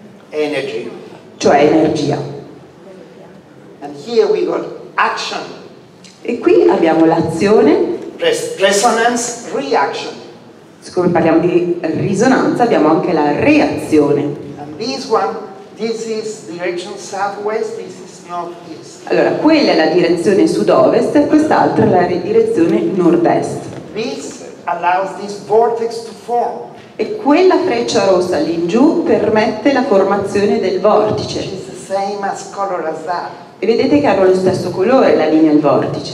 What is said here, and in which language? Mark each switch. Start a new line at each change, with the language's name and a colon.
English: Energy.
Italian: Cioè energia.
English: And here we got action.
Italian: E qui abbiamo l'azione.
English: Resonance reaction.
Italian: Siccome parliamo di risonanza, abbiamo anche la reazione.
English: And this one, this is direction southwest, this is northeast.
Italian: Allora, quella è la direzione sud-ovest, quest'altra è la direzione nord-est.
English: This allows this vortex to form.
Italian: E quella freccia rossa lì in giù permette la formazione del vortice.
English: It's the same as color as that.
Italian: E vedete che hanno lo stesso colore la linea e il vortice.